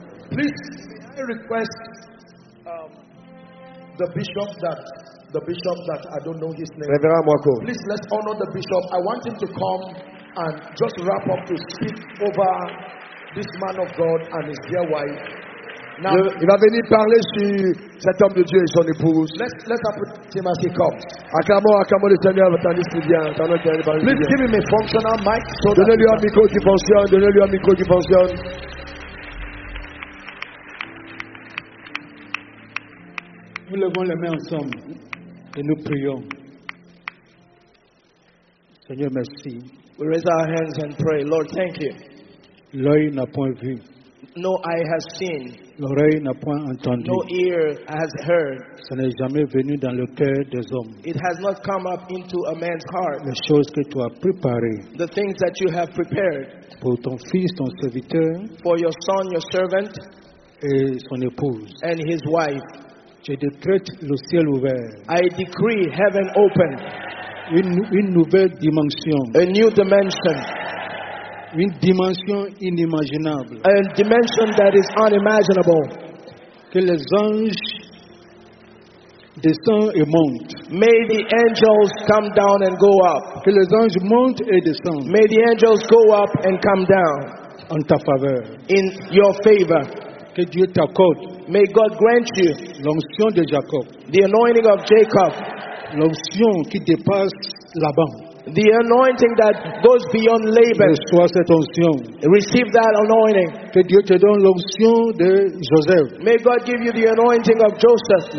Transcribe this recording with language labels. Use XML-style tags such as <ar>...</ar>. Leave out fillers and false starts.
<en>Please, may I request the bishop, I don't know his name. Reverend Mwako. Please, let's honor the bishop. I want him to come and just wrap up to speak over this man of God and his dear wife.</en> <fr>Now, il va venir parler sur cet homme de Dieu et son épouse.</fr> <en>Let's put him as he comes.</en> <fr>Acclamons le Seigneur tandis qu'il vient.</fr> <en>Please give him a functional mic. So</en> <fr>donnez-lui un micro qui fonctionne. Donnez-lui un micro qui fonctionne. Nous levons les mains ensemble et nous prions. Seigneur, merci.</fr> <en>We raise our hands and pray. Lord, thank you.</en> <fr>L'œil n'a point vu.</fr> <en>No eye has seen.</en> <fr>L'oreille n'a point entendu.</fr> <en>No ear has heard.</en> <fr>Ça n'est jamais venu dans le cœur des hommes.</fr> <en>It has not come up into a man's heart.</en> <fr>Les choses que tu as préparées.</fr> <en>The things that you have prepared.</en> <fr>Pour ton fils, ton serviteur.</fr> <en>For your son, your servant.</en> <fr>Et son épouse.</fr> <en>And his wife.</en> <fr>Je décrète le ciel ouvert.</fr> <en>I decree heaven open.</en> <fr>Une nouvelle dimension.</fr> <en>A new dimension.</en> <fr>Une dimension inimaginable.</fr> <en>A dimension that is unimaginable.</en> <fr>Que les anges descendent et montent.</fr> <en>May the angels come down and go up.</en> <fr>Que les anges montent et descendent.</fr> <en>May the angels go up and come down.</en> <fr>En ta faveur.</fr> <en>In your favor.</en> <fr>Que Dieu t'accorde.</fr> <en>May God grant you.</en> <fr>L'onction de Jacob.</fr> <en>The anointing of Jacob.</en> <fr>L'onction qui dépasse Laban.</fr> <en>The anointing that goes beyond Laban.</en> <fr>Reçois cette onction.</fr> <en>Receive that anointing.</en> <fr>Que Dieu te donne l'onction de Joseph.</fr> <en>May God give you the anointing of Joseph.</en>